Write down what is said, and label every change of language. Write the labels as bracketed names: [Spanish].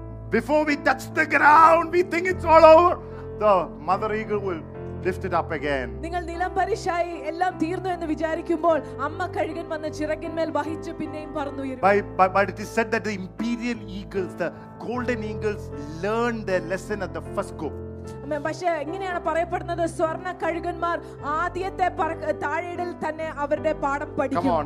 [English] Before we touch the ground, we think it's all over. The mother eagle will lift it up again. [Malayalam] നിങ്ങൾ നിലം പരിശായി എല്ലാം തീർന്നു എന്ന് വിചാരിക്കുമ്പോൾ അമ്മ കഴുകൻ വന്ന ചിറകിന്മേൽ വഹിച്ചു പിന്നെയും പറന്നുയരും. [English] But it is said that the imperial eagles, the golden eagles, learn their lesson at the first go. [Malayalam] പക്ഷേ ഇങ്ങനെയാണ് പറയപ്പെടുന്നത്, സ്വർണ കഴുകന്മാർ ആദ്യത്തെ താഴെയിടൽ തന്നെ അവരുടെ പാഠം പഠിക്കും.